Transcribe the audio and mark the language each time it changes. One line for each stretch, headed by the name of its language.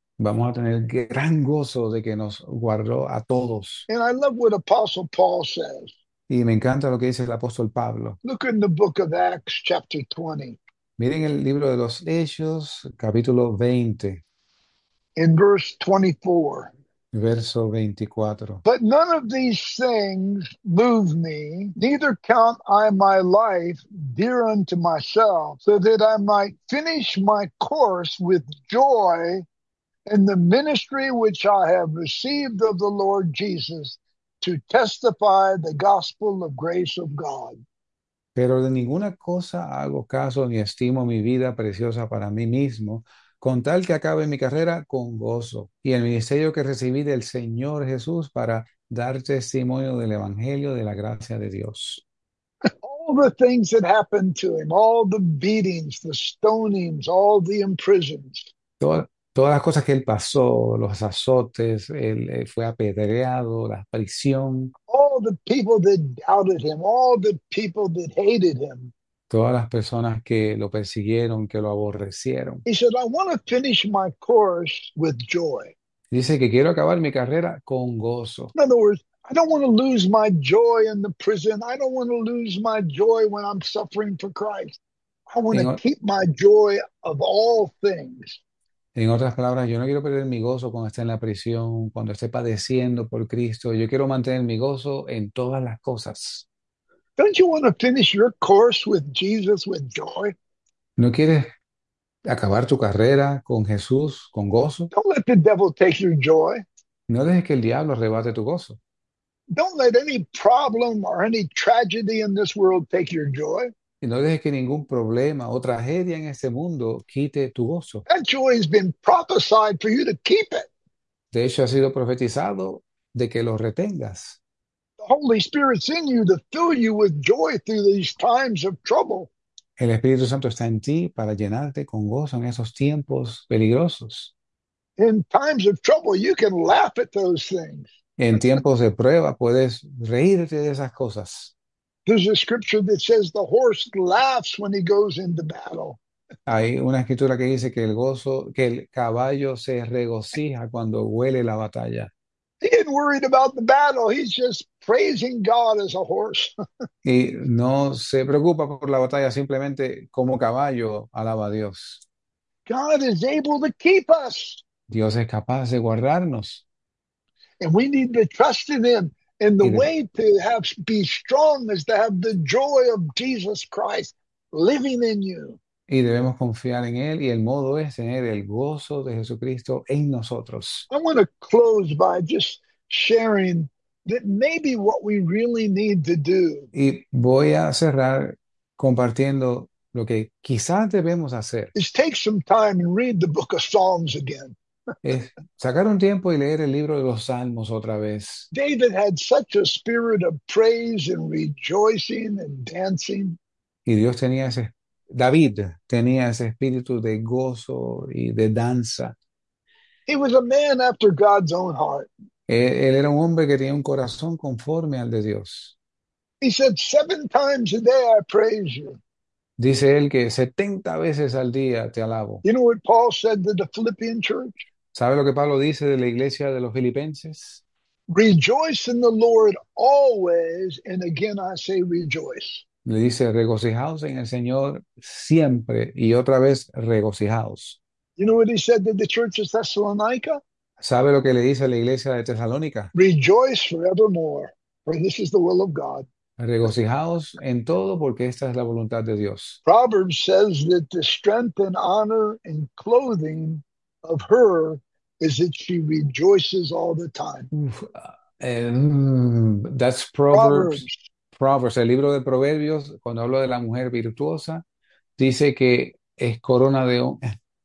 Spanish: vamos a tener gran gozo de que nos guardó a todos.
English: And I love what Apostle Paul says.
Spanish: Y me encanta lo que dice el apóstol Pablo.
English: Look in the book of Acts, chapter 20.
Spanish: Miren el libro de los Hechos, capítulo 20,
English: In verse 24.
Spanish: verso 24.
English: But none of these things move me, neither count I my life dear unto myself, so that I might finish my course with joy in the ministry which I have received of the Lord Jesus to testify the gospel of grace of God.
Spanish: Pero de ninguna cosa hago caso ni estimo mi vida preciosa para mí mismo, con tal que acabe mi carrera con gozo y el ministerio que recibí del Señor Jesús para dar testimonio del Evangelio de la gracia de Dios.
English: All the things that happened to him, all the beatings, the stonings, all the imprisons.
Spanish: Todas las cosas que él pasó, los azotes, él fue apedreado, la prisión.
English: All the people that doubted him, all the people that hated him.
Spanish: Todas las personas que lo persiguieron, que lo aborrecieron.
English: He said, I want to finish my course with joy.
Spanish: Dice que quiero acabar mi carrera con gozo.
English: In other words, I don't want to lose my joy in the prison. I don't want to lose my joy when I'm suffering for Christ. I want to keep my joy of all things.
Spanish: En otras palabras, yo no quiero perder mi gozo cuando esté en la prisión, cuando esté padeciendo por Cristo. Yo quiero mantener mi gozo en todas las cosas.
English: Don't you want to finish your course with Jesus with joy?
Spanish: ¿No quieres acabar tu carrera con Jesús, con gozo?
English: Don't let the devil take your joy.
Spanish: No dejes que el diablo arrebate tu gozo.
English: Don't let any problem or any tragedy in this world take your joy.
Spanish: Y no dejes que ningún problema o tragedia en este mundo quite tu gozo.
English: That joy has been prophesied for you to keep it.
Spanish: De hecho, ha sido profetizado de que lo retengas.
English: The Holy Spirit's in you to fill you with joy through these times of trouble.
Spanish: El Espíritu Santo está en ti para llenarte con gozo en esos tiempos peligrosos.
English: In times of trouble, you can laugh at those things.
Spanish: En tiempos de prueba puedes reírte de esas cosas.
English: There's a scripture that says the horse laughs when he goes into battle.
Spanish: Hay una escritura que dice que que el caballo se regocija cuando huele la batalla.
English: Ain't worried about the battle. He's just praising God as a horse.
Spanish: Y no se preocupa por la batalla, simplemente como caballo alaba a Dios.
English: God is able to keep us.
Spanish: Dios es capaz de guardarnos.
English: And we need to trust in him. And the way to have be strong is to have the joy of Jesus Christ living in you.
Spanish: Y debemos confiar en Él, y el modo es tener el gozo de Jesucristo en nosotros.
English: I want to close by just sharing that maybe what we really need to do.
Spanish: Y voy a cerrar compartiendo lo que quizás debemos hacer.
English: Is take some time and read the book of Psalms again.
Spanish: Es sacar un tiempo y leer el libro de los Salmos otra vez.
English: David had such a spirit of praise and rejoicing and dancing.
Spanish: Y Dios tenía ese, David tenía ese espíritu de gozo y de danza.
English: He was a man after God's own heart.
Spanish: Él era un hombre que tenía un corazón conforme al de Dios.
English: He said, 7 times a day I praise you.
Spanish: Dice él que 70 veces al día te alabo.
English: You know what Paul said to the Philippian church?
Spanish: ¿Sabe lo que Pablo dice de la iglesia de los Filipenses?
English: Rejoice in the Lord always, and again I say rejoice.
Spanish: Le dice, regocijaos en el Señor siempre y otra vez regocijaos.
English: You know what he said to the church of Thessalonica?
Spanish: ¿Sabe lo que le dice a la iglesia de Tesalónica?
English: Rejoice forevermore, for this is the will of God.
Spanish: Regocijaos en todo porque esta es la voluntad de Dios.
English: Proverbs says that the strength and honor and clothing of her is that she rejoices all the time. That's Proverbs. Proverbs.
Spanish: Proverbs, el libro de Proverbios, cuando habla de la mujer virtuosa, dice que es corona de honra.